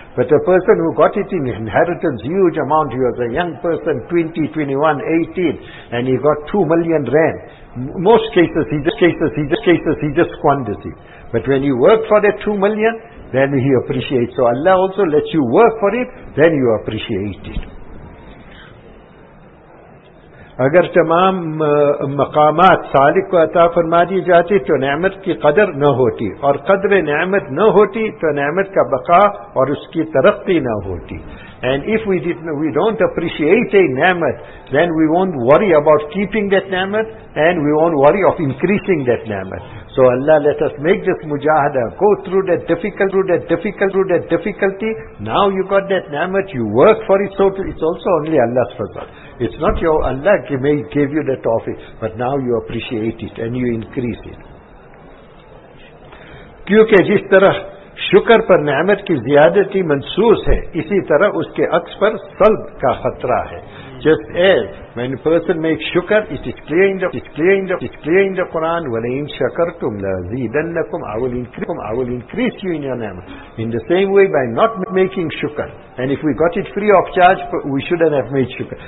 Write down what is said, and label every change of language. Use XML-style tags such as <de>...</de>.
<en>But a person who got it in inheritance, huge amount, he was a young person, 20, 21, 18, and he got 2 million rand. Most cases, he just squanders it. But when you work for that 2 million, then he appreciates. So Allah also lets you work for it, then you appreciate it.</en> <ur>اگر تمام مقامات سالک کو عطا فرما دی جاتے تو نعمت کی قدر نہ ہوتی, اور قدر نعمت نہ ہوتی تو نعمت کا بقا اور اس کی ترقی نہ ہوتی.</ur> <en>And if we don't appreciate a نعمت, then we won't worry about keeping that نعمت, and we won't worry of increasing that نعمت. So Allah, let us make this mujahada, go through that difficulty. Now you got that نعمت, you work for it, so it's also only Allah's fazal. It's not your Allah gave you that office, but now you appreciate it and you increase it.</en> <ur>کیونکہ جس طرح شکر پر نعمت کی زیادتی منصوص ہے اسی طرح اس کے عکس پر سلب کا خطرہ ہے.</ur> <en>just as when a person makes shukr, it is clear in the Quran,</en> <ar>وَلَئِن شَكَرْتُمْ لَزِيدَنَّكُمْ</ar> <en>I will increase you in your name. In the same way, by not making shukr, and if we got it free of charge, we shouldn't have made shukr.</en>